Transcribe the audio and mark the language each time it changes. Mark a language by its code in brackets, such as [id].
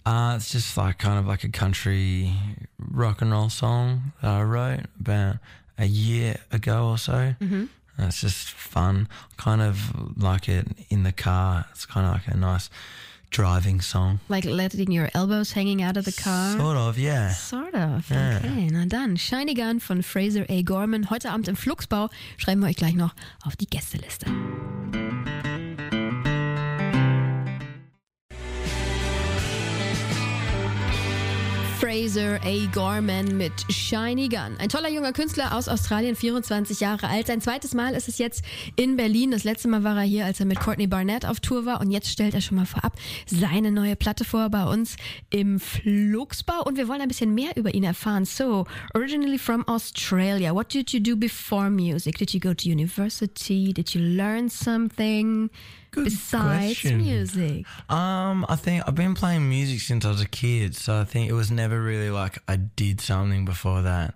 [en] It's just like kind of like a country rock and roll song that I wrote about a year ago or so. And it's just fun. Kind of like it in the car. It's kind of like a nice driving song. Like letting your elbows hanging out of the car? Sort of, yeah. Sort of, yeah. Okay, [de] na dann. Shiny Gun von Fraser A. Gorman. Heute Abend im Fluxbau schreiben wir euch gleich noch auf die Gästeliste. Fraser A. Gorman mit Shiny Gun. Ein toller junger Künstler aus Australien, 24 Jahre alt. Sein zweites Mal ist es jetzt in Berlin. Das letzte Mal war er hier, als er mit Courtney Barnett auf Tour war. Und jetzt stellt er schon mal vorab seine neue Platte vor bei uns im Fluxbau. Und wir wollen ein bisschen mehr über ihn erfahren. [en] So, originally from Australia, what did you do before music? Did you go to university? Did you learn something? Good besides question. Music? I think I've been playing music since I was a kid, so I think it was never really like I did something before that.